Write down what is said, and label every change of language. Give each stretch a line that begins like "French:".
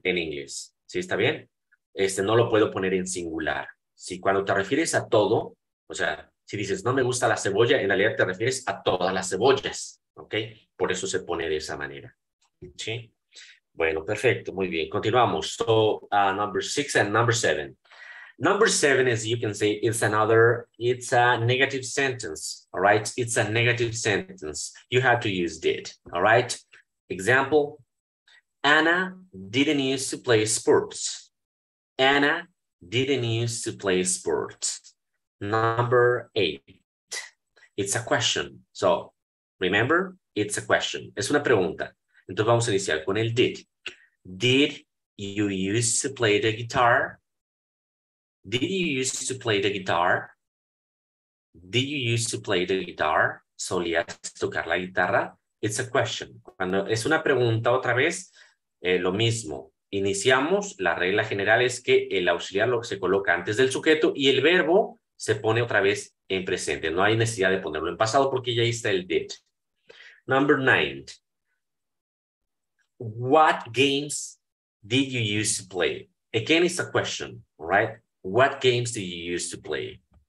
Spanish: En inglés, ¿sí está bien? No lo puedo poner en singular, ¿sí? Cuando te refieres a todo, o sea, si dices, no me gusta la cebolla, en realidad te refieres a todas las cebollas, ¿ok? Por eso se pone de esa manera, ¿sí? Bueno, perfecto, muy bien.
English: Continuamos. So, number six and number seven. Number seven, as you can see, it's a negative sentence, all right? It's a negative sentence. You have to use did, all right? Example, Anna didn't use to play sports. Anna didn't use to play sports. Number eight, it's a question. So, remember, it's a question.
Spanish: Es una pregunta. Entonces vamos a iniciar con el did.
English: Did you use to play the guitar? Did you use to play the guitar? Did you use to play the guitar?
Spanish: ¿Solías tocar la guitarra?
English: It's a question.
Spanish: Cuando es una pregunta otra vez, lo mismo. Iniciamos, la regla general es que el auxiliar se coloca antes del sujeto y el verbo se pone otra vez en presente. No hay necesidad de ponerlo en pasado porque ya está el did.
English: Number nine. What games did you use to play? Again, it's a question, right? What games did you use to play?